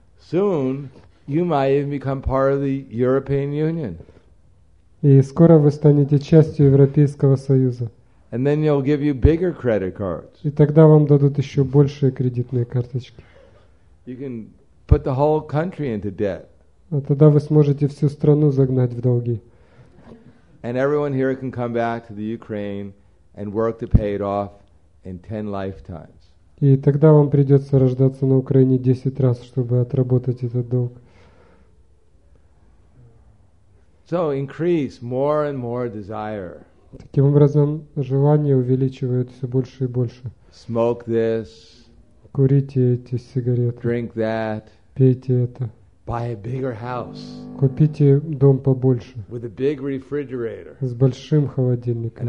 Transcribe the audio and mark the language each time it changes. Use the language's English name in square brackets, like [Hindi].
[English] Soon you might even become part of the European Union. [Russian] И скоро вы станете частью Европейского Союза. [English] And then they'll give you bigger credit cards. [Russian] И тогда вам дадут еще большие кредитные карточки. [English] You can put the whole country into debt. [Russian] А тогда вы сможете всю страну загнать в долги. [English] And everyone here can come back to the Ukraine and work to pay it off in 10 lifetimes. [Russian] И тогда вам придется рождаться на Украине 10 раз, чтобы отработать этот долг. [English] So increase more and more desire. [Russian] Таким образом, желание увеличивает все больше и больше. [English] Smoke this. [Russian] Курите эти сигареты. [English] Drink that. [Russian] Пейте это. [English] Buy a bigger house. [Russian] Купите дом побольше. [English] With a big refrigerator. [Russian] С большим холодильником.